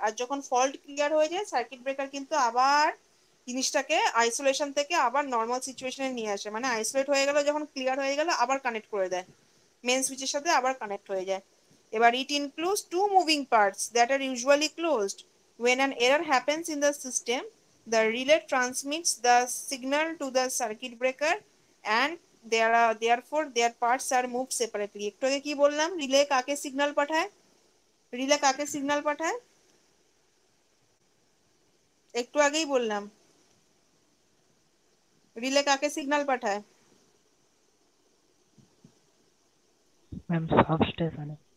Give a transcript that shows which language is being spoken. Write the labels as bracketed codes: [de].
[bn] আর যখন fault clear হয়ে যায় সার্কিট ব্রেকার কিন্তু আবার জিনিসটাকে আইসোলেশন থেকে আবার নর্মাল সিচুয়েশনে নিয়ে আসে, মানে আইসোলেট হয়ে গেল যখন ক্লিয়ার হয়ে গেল আবার কানেক্ট করে দেয় মেন সুইচের সাথে, আবার কানেক্ট হয়ে যায়। [en] এবার it includes two moving parts that are usually closed when an error happens in the system, the relay transmits the signal to the circuit breaker and therefore their parts are moved separately. [bn] একটু আগে কি বললাম, relay কাকে signal পাঠায়, relay কাকে signal পাঠায়, একটু আগেই বললাম রিলে কাকে সিগন্যাল পাঠায়, ম্যাম সাবস্টেশনে।